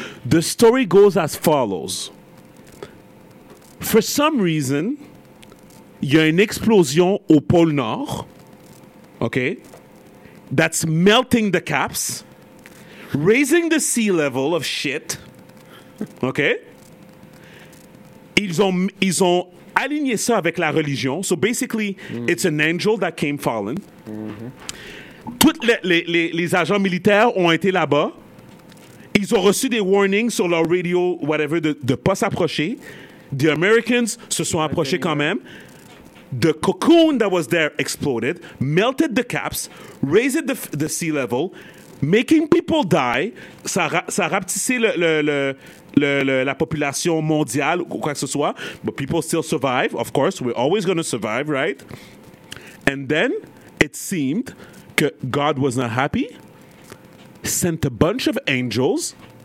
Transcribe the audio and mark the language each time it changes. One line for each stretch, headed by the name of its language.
English: The story goes as follows. For some reason,
French: il y a une explosion au pôle Nord,
English: okay, that's melting the caps, raising the sea level of shit, okay?
French: Ils ont aligné ça avec la religion.
English: So basically, it's an angel that came fallen. Mm-hmm.
French: Toutes les agents militaires ont été là-bas. Ils ont reçu des warnings sur leur radio, whatever, de ne pas s'approcher.
English: The Americans
French: se sont approchés quand même.
English: The cocoon that was there exploded, melted the caps, raised the sea level, making people die.
French: Ça rapetissait la population mondiale ou quoi que ce soit.
English: But people still survive. Of course, we're always going to survive, right? And then it seemed que God was not happy, sent a bunch of angels.